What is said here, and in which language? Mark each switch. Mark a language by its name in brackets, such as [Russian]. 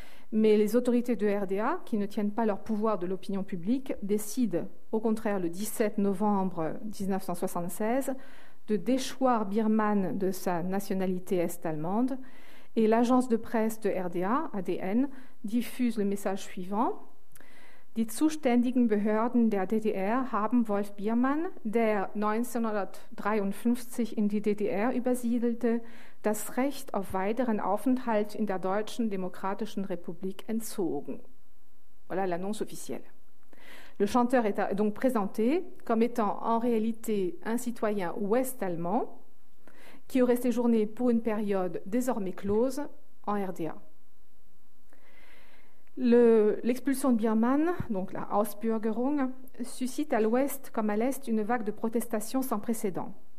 [French] Mais les autorités de RDA, qui ne tiennent pas leur pouvoir de l'opinion publique, décident, au contraire, le 17 novembre 1976, de déchoir Biermann de sa nationalité est-allemande. Et l'agence de presse de RDA, ADN, diffuse le message suivant. [German] Die zuständigen Behörden der DDR haben Wolf Biermann, der 1953 in die DDR übersiedelte, das Recht auf weiteren Aufenthalt in der Deutschen Demokratischen Republik entzogen. [French] Voilà l'annonce officielle. Le chanteur est donc présenté comme étant en réalité un citoyen ouest-allemand qui aurait séjourné pour une période désormais close en RDA. L'expulsion de Biermann, donc la Ausbürgerung, suscite à l'ouest comme à l'est une vague de protestations sans précédent.